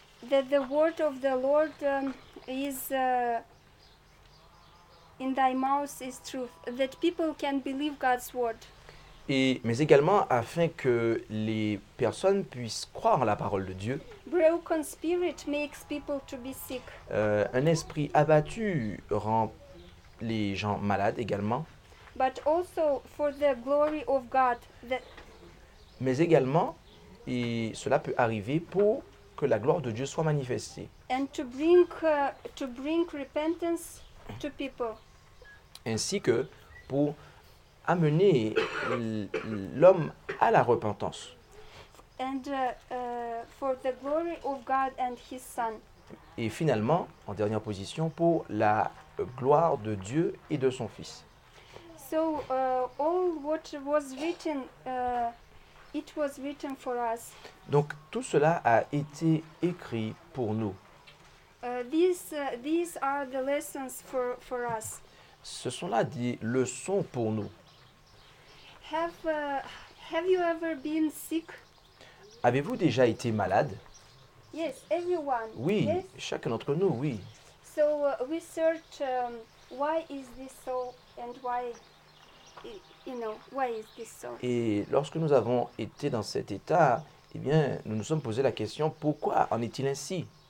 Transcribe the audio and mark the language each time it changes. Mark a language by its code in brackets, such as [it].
[en] that the word of the Lord is in thy mouth is truth, that people can believe God's word. [fr] Et, mais également afin que les personnes puissent croire la parole de Dieu. [en] Broken spirit makes people to be sick. [fr] Un esprit abattu rend les gens malades également. [en] But also for the glory of God, that... [fr] Mais également, et cela peut arriver pour que la gloire de Dieu soit manifestée. [en] And to bring repentance to people. [fr] Ainsi que pour amener l'homme à la repentance. [en] And, for the glory of God and his son. [fr] Et finalement, en dernière position, pour la gloire de Dieu et de son Fils. [en] So, all what was written, it was written for us. [fr] Donc, tout cela a été écrit pour nous. [en] These are the lessons for us. [fr] Ce sont là des leçons pour nous. [en] Have you ever been sick? [fr] Avez-vous déjà été malade? [en] Yes, everyone. [fr] Oui, [en] yes? [fr] Chacun d'entre nous, oui. [en] So we search why is this so and why, you know, why is this so? [fr] Et lorsque nous avons été dans cet état, eh bien, nous nous sommes posé la question pourquoi en est-il ainsi?